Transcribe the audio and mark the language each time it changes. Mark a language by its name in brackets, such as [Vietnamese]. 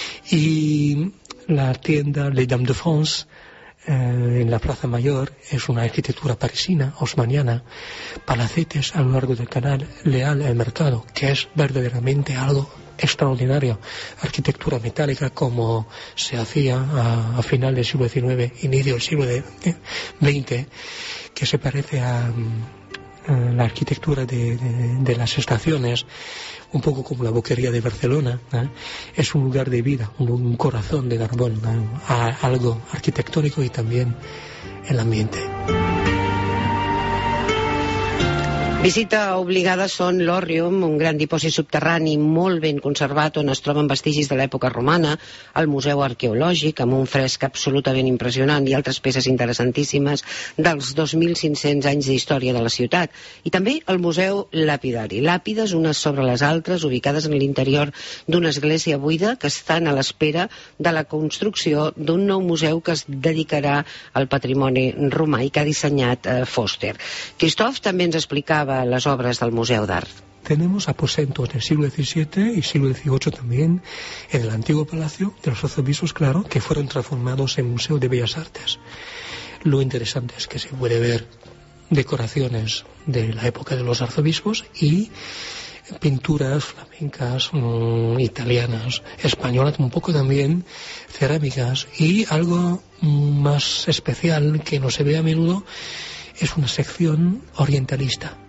[Spanish] Y la tienda Les Dames de France, en la Plaza Mayor, es una arquitectura parisina, haussmanniana, palacetes a lo largo del canal, leal al mercado, que es verdaderamente algo extraordinario, arquitectura metálica como se hacía a final del siglo XIX, inicio del siglo XX, que se parece a la arquitectura de las estaciones, un poco como la boquería de Barcelona, ¿eh? Es un lugar de vida, un corazón de Narbonne, ¿eh? Algo arquitectónico y también el ambiente. [Catalan] Visita obligada són l'Òrrium, un gran dipòsit subterrani molt ben conservat on es troben vestigis de l'època romana, el Museu Arqueològic, amb un fresc absolutament impressionant i altres peces interessantíssimes dels 2.500 anys d'història de la ciutat. I també el Museu Lapidari, làpides unes sobre les altres, ubicades en l'interior d'una església buida que estan a l'espera de la construcció d'un nou museu que es dedicarà al patrimoni romà i que ha dissenyat Foster. Christoph també ens explica [Spanish] las obras del Museo d'Art. Tenemos aposentos del siglo XVII y siglo XVIII también en el antiguo palacio de los arzobispos, claro, que fueron transformados en Museo de Bellas Artes. Lo interesante es que se puede ver decoraciones de la época de los arzobispos y pinturas flamencas, italianas, españolas, un poco también cerámicas, y algo más especial que no se ve a menudo es una sección orientalista.